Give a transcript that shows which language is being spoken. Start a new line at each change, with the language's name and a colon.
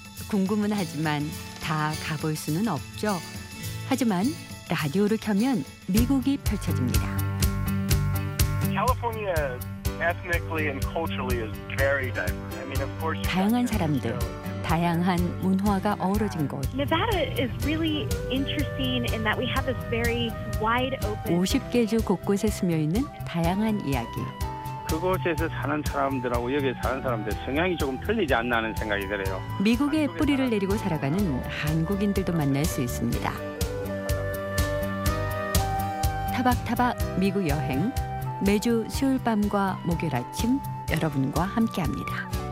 Korean: 궁금은 하지만 다 가볼 수는 없죠. 하지만 라디오를 켜면 미국이 펼쳐집니다.
English: California ethnically and culturally is very diverse. I mean, of course,
Korean: 다양한 사람들, 다양한 문화가 어우러진 곳.
English: Nevada is really interesting in that we have this very wide open.
Korean: 50개 주 곳곳에 스며 있는 다양한 이야기. 그곳에서 사는 사람들하고 여기에 사는 사람들 성향이 조금 틀리지 않나 하는 생각이 들어요. 미국의 뿌리를 내리고 살아가는 한국인들도 만날 수 있습니다. 타박타박 미국 여행, 매주 수요일 밤과 목요일 아침 여러분과 함께합니다.